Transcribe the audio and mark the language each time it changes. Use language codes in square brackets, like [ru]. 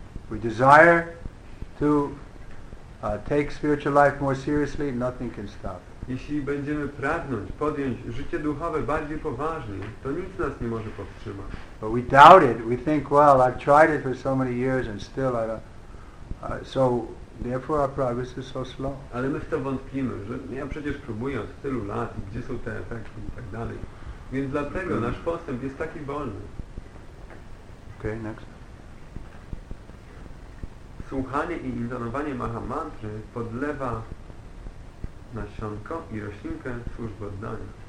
[en] We desire to take spiritual life more seriously, nothing can stop. [pl] Jeśli będziemy pragnąć podjąć życie duchowe bardziej poważnie, to nic nas nie może powstrzymać. [en] But we doubt it. We think, well, I've tried it for so many years and still I don't... So therefore our progress is so slow. [pl] Ale my w to wątpimy, że ja przecież próbuję od tylu lat, gdzie są te efekty i tak dalej. Więc dlatego nasz postęp jest taki wolny. [en] Okay, next. [pl] Słuchanie i intonowanie mahamantry podlewa nasionko i roślinkę służby oddania.